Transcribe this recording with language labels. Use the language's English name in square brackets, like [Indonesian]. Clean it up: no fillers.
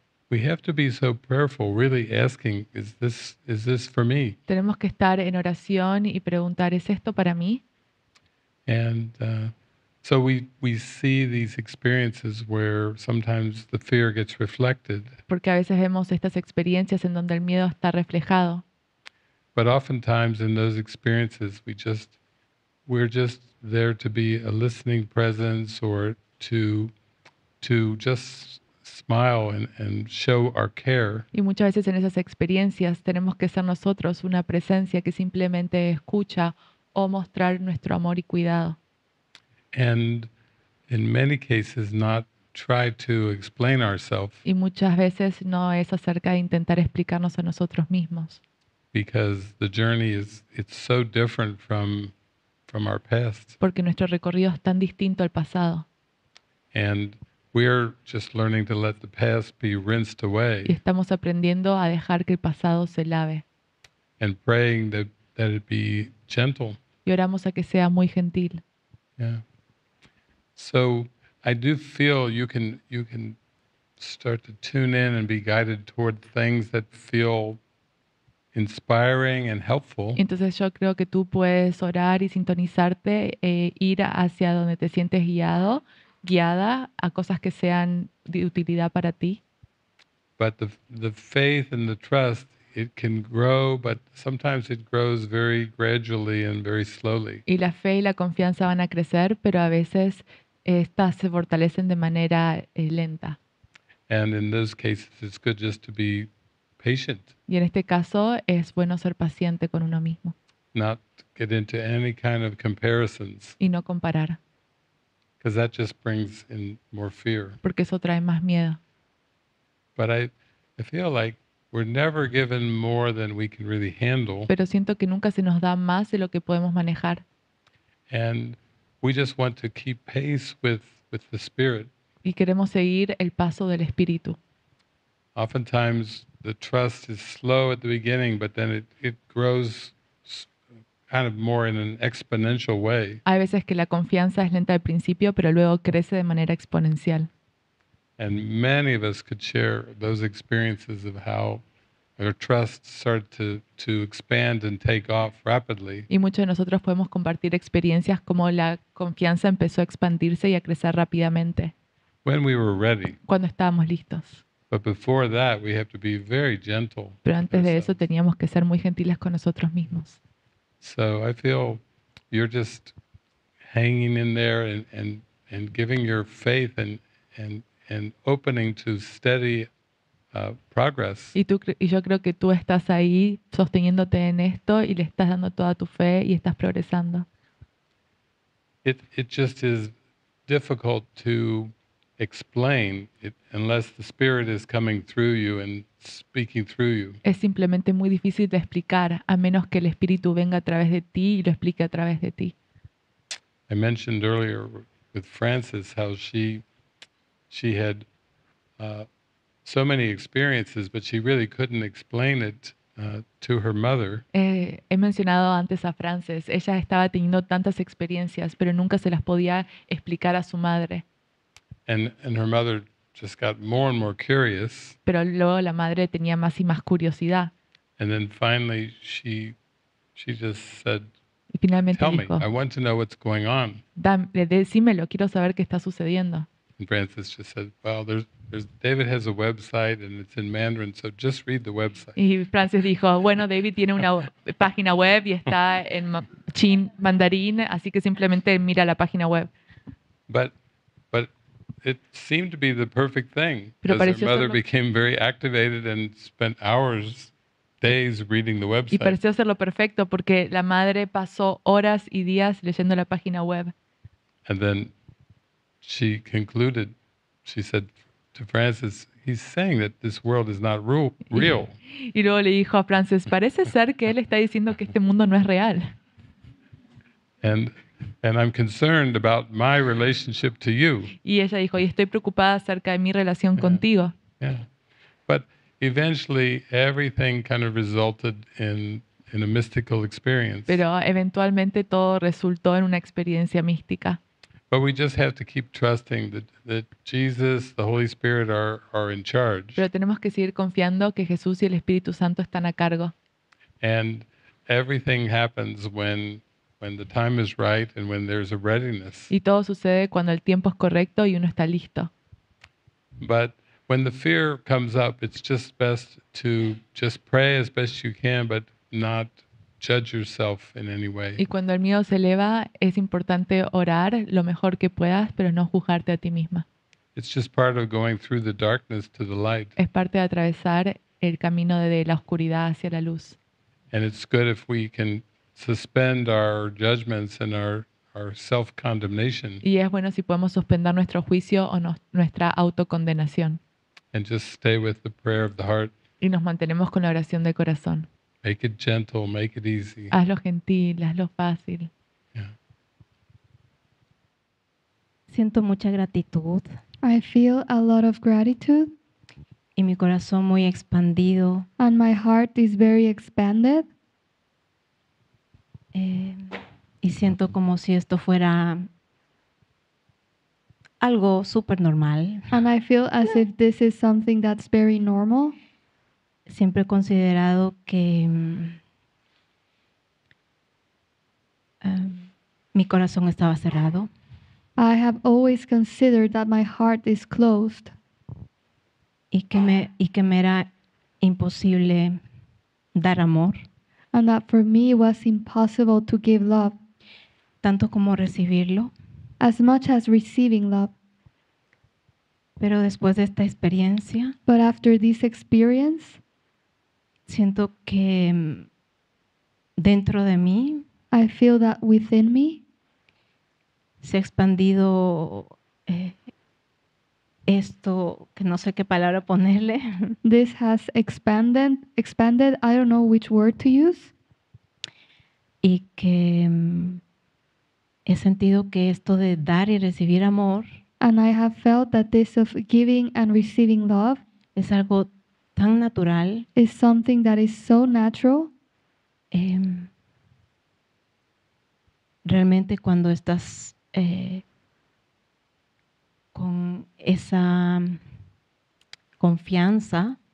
[English] We have to be so prayerful, really asking, is this for me? [Spanish] Tenemos que estar en oración y preguntar, ¿es esto para mí? [English] And so we see these experiences where sometimes the fear gets reflected. [Spanish] Porque a veces vemos estas experiencias en donde el miedo está reflejado. [English] But oftentimes in those experiences we're just there to be a listening presence or to just smile and show our care. [Spanish] Y muchas veces en esas experiencias tenemos que ser nosotros una presencia que simplemente escucha o mostrar nuestro amor y cuidado. [English] And in many cases not try to explain ourselves. [Spanish] Y muchas veces no es acerca de intentar explicarnos a nosotros mismos. [English] Because the journey it's so different from our past. [Spanish] Porque nuestro recorrido es tan distinto al pasado. [English] And we're just learning to let the past be rinsed away. [Spanish] Y estamos aprendiendo a dejar que el pasado se lave. [English] And praying that it be gentle. [Spanish] Y oramos a que sea muy gentil. [English] Yeah. So I do feel you can start to tune in and be guided toward things that feel inspiring and helpful. [Spanish] Entonces yo creo que tú puedes orar y sintonizarte e ir hacia donde te sientes guiado. Guiada a cosas que sean de utilidad para ti. [English] But the faith and the trust, it can grow, but sometimes it grows very gradually and very slowly. [Spanish] Y la fe y la confianza van a crecer, pero a veces estas se fortalecen de manera lenta. [English] And in those cases, it's good just to be patient. [Spanish] Y en este caso es bueno ser paciente con uno mismo. [English] Not get into any kind of comparisons. [Spanish] Y no comparar. [English] Because that just brings in more fear. [Spanish] Porque eso trae más miedo. [English] But I feel like we're never given more than we can really handle. [Spanish] Pero siento que nunca se nos da más de lo que podemos manejar. [English] And we just want to keep pace with the Spirit. [Spanish] Y queremos seguir el paso del Espíritu. [English] Oftentimes the trust is slow at the beginning, but then it grows kind of more in an exponential way. [Spanish] Hay veces que la confianza es lenta al principio, pero luego crece de manera exponencial. [English] And many of us could share those experiences of how our trust started to expand and take off rapidly. [Spanish] Y muchos de nosotros podemos compartir experiencias como la confianza empezó a expandirse y a crecer rápidamente. [English] When we were ready. [Spanish] Cuando estábamos listos. [English] But before that, we have to be very gentle. [Spanish] Pero antes de eso teníamos que ser muy gentiles con nosotros mismos. [English] So I feel you're just hanging in there and giving your faith and opening to steady progress. [Spanish] Y yo creo que tú estás ahí sosteniéndote en esto y le estás dando toda tu fe y estás progresando. [English] It just is difficult to explain it unless the Spirit is coming through you and speaking through you. [Spanish] Es simplemente muy difícil de explicar a menos que el Espíritu venga a través de ti y lo explique a través de ti. [English] I mentioned earlier with Frances how she had so many experiences, but she really couldn't explain it to her mother. [Spanish] He mencionado antes a Frances. Ella estaba teniendo tantas experiencias, pero nunca se las podía explicar a su madre. [English] And her mother just got more and more curious. [Spanish] Pero luego la madre tenía más y más curiosidad. [English] And then finally she just said, "Tell me, I want to know what's going on." [Spanish] Decímelo, quiero saber qué está sucediendo. [English] And Frances just said, "Well, there's David has a website and it's in Mandarin, so just read the website." [Spanish] Y Frances dijo, "Bueno, David tiene una página web y está en chin mandarín, así que simplemente mira la página web." [English] But it seemed to be the perfect thing, because her mother became very activated and spent hours days reading the website. [Spanish] Y pareció hacerlo perfecto porque la madre pasó horas y días leyendo la página web. [English] And then she concluded, she said to Francis, he's saying that this world is not real. [Spanish] Y luego le dijo a Francis, parece ser que él está diciendo que este mundo no es real. [English] And I'm concerned about my relationship to you. [Spanish] Y ella dijo, y estoy preocupada acerca de mi relación contigo. [English] Yeah. But eventually everything kind of resulted in a mystical experience. [Spanish] Pero eventualmente todo resultó en una experiencia mística. [English] But we just have to keep trusting that Jesus, the Holy Spirit are in charge. [Spanish] Pero tenemos que seguir confiando que Jesús y el Espíritu Santo están a cargo. [English] And everything happens when the time is right and when there's a readiness. [Spanish] Y todo sucede cuando el tiempo es correcto y uno está listo. [English] But when the fear comes up, it's just best to just pray as best you can, but not judge yourself in any way. [Spanish] Y cuando el miedo se eleva, es importante orar lo mejor que puedas, pero no juzgarte a ti misma. [English] It's just part of going through the darkness to the light. [Spanish] Es parte de atravesar el camino de la oscuridad hacia la luz. [English] And it's good if we can suspend our judgments and our self-condemnation. [Spanish] Y es bueno si podemos suspender nuestro juicio o nuestra autocondenación. [English] And just stay with the prayer of the heart. [Spanish] Y nos mantenemos con la oración de corazón. [English] Make it gentle, make it easy. [Spanish] Hazlo gentil, hazlo fácil. Siento mucha gratitud. [English] I feel a lot of gratitude. [Spanish] Y mi corazón muy expandido. [English] And my heart is very expanded. [Spanish] Y siento como si esto fuera algo super normal. [English] And I feel as if this is something that's very normal. [Spanish] Siempre he considerado que mi corazón estaba cerrado. [English] I have always considered that my heart is closed. [Spanish] Y que me era imposible dar amor. [English] And that for me was impossible to give love. [Spanish] Tanto como recibirlo. [English] As much as receiving love. [Spanish] Pero después de esta experiencia. [English] But after this experience. [Spanish] Siento que dentro de mí. [English] I feel that within me. [Spanish] Se ha expandido esto, que no sé qué palabra ponerle. [English] This has expanded, I don't know which word to use. [Spanish] Y que he sentido que esto de dar y recibir amor. [English] And I have felt that this of giving and receiving love. [Spanish] Es algo tan natural. [English] Is something that is so natural. [Spanish] Realmente cuando estás con esa confianza.